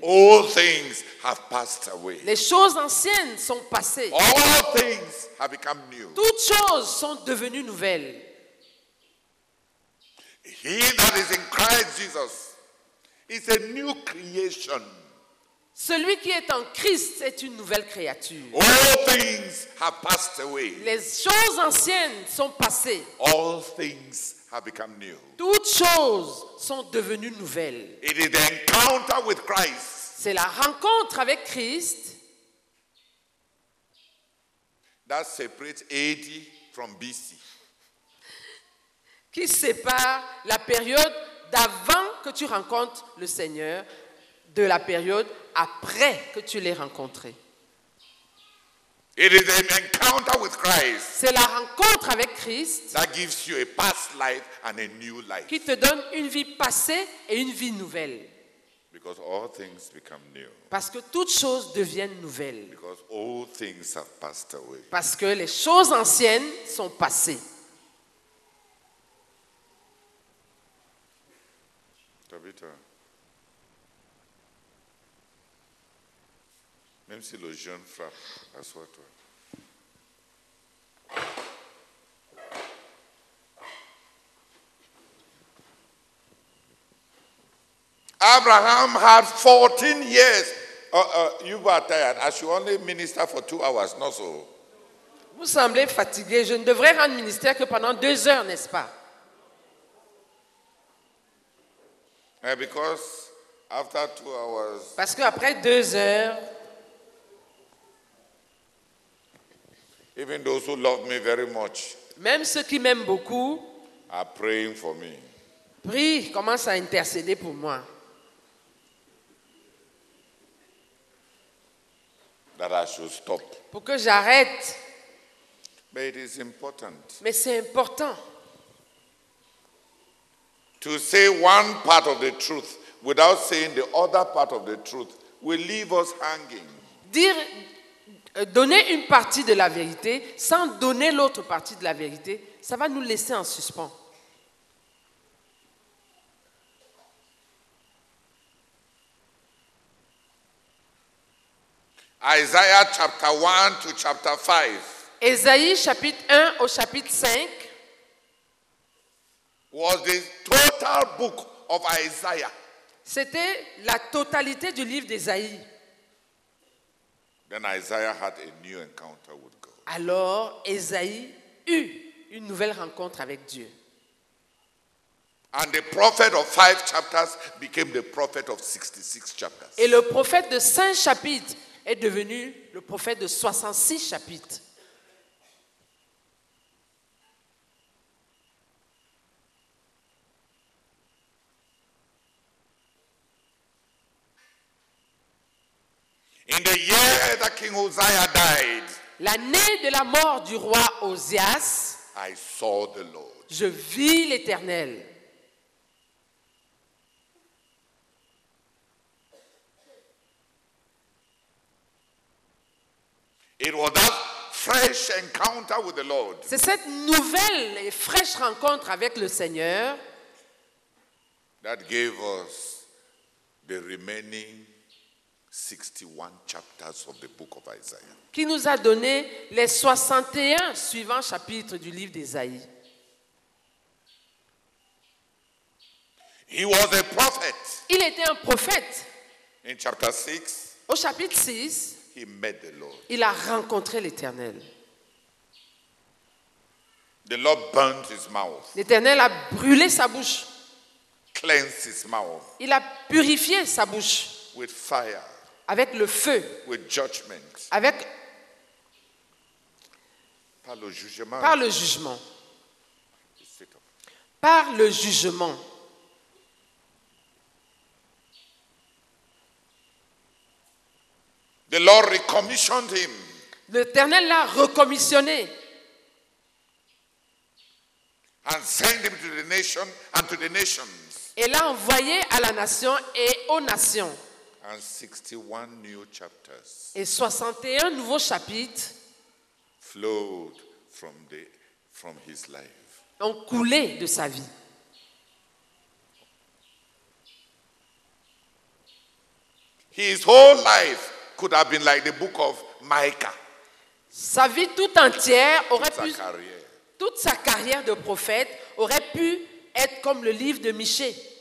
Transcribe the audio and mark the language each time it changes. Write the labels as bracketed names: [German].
[English] All things have passed away. [French] Les choses anciennes sont passées. [English] All things have become new. [French] Toutes choses sont devenues nouvelles. [English] He that is in Christ Jesus is a new creation. [French] Celui qui est en Christ est une nouvelle créature. [English] All things have passed away. [French] Les choses anciennes sont passées. [English] All things have become new. [French] Toutes choses sont devenues nouvelles. [English] It is the encounter with Christ. [French] C'est la rencontre avec Christ [English] that separates AD from BC. [French] Qui sépare la période d'avant que tu rencontres le Seigneur de la période après que tu l'aies rencontré. [English] It is an encounter with Christ. [French] C'est la rencontre avec Christ [English] that gives you a past life and a new life. [French] Qui te donne une vie passée et une vie nouvelle. [English] Because all things become new. [French] Parce que toutes choses deviennent nouvelles. [English] Because all things have passed away. [French] Parce que les choses anciennes sont passées. Tabitha. Même si le jeune frappe, assois-toi. [English] Abraham had 14 years. You were tired. I should only minister for 2 hours, not so. [French] Vous semblez fatigué. Je ne devrais rendre ministère que pendant 2 heures, n'est-ce pas? [English] Yeah, because after 2 hours. [French] Parce qu'après 2 heures. [English] Even those who love me very much. [French] Même ceux qui m'aiment beaucoup. [English] Are praying for me. [French] Prient, commencent à intercéder pour moi. [English] That I should stop. [French] Pour que j'arrête. [English] But it is important. [French] Mais c'est important. [English] To say one part of the truth without saying the other part of the truth will leave us hanging. [French] Dire, donner une partie de la vérité sans donner l'autre partie de la vérité, ça va nous laisser en suspens. [English] Isaiah chapter 1 to chapter 5. [French] Ésaïe chapitre 1 au chapitre 5. [English] Was the total book of Isaiah. [French] C'était la totalité du livre d'Ésaïe. [English] Then Isaiah had a new encounter with God. [French] Alors Ésaïe eut une nouvelle rencontre avec Dieu. [English] And the prophet of 5 chapters became the prophet of 66 chapters. [French] Et le prophète de 5 chapitres est devenu le prophète de 66 chapitres. [English] In the year that King Uzziah died, [French] l'année de la mort du roi Ozias, [English] I saw the Lord. [French] Je vis l'Éternel. [English] It was that fresh encounter with the Lord. [French] C'est cette nouvelle et fraîche rencontre avec le Seigneur [English] that gave us the remaining 61 chapters of the book of Isaiah. [French] Qui nous a donné les 61 suivants chapitres du livre d'Ésaïe. [English] He was a prophet. [French] Il était un prophète. [English] In chapter 6. [French] Au chapitre 6. [English] He met the Lord. [French] Il a rencontré l'Éternel. [English] The Lord burned his mouth. [French] L'Éternel a brûlé sa bouche. [English] Cleansed his mouth. [French] Il a purifié sa bouche. [English] With fire. [French] Avec le feu. [English] With judgment. [French] Avec. Par le jugement. Par le jugement. Par le jugement. [English] The Lord recommissioned him. [French] L'Éternel l'a recommissionné. [English] And sent him to the nation and to the nations. [French] Et l'a envoyé à la nation et aux nations. [English] And 61 new chapters. [French] Et 61 nouveaux chapitres. [English] Flowed from his life. [French] Ont coulé de sa vie. [English] His whole life could have been like the book of Micah. [French] Sa vie tout entière aurait toute pu. Sa carrière. Toute sa carrière de prophète aurait pu être comme le livre de Michée.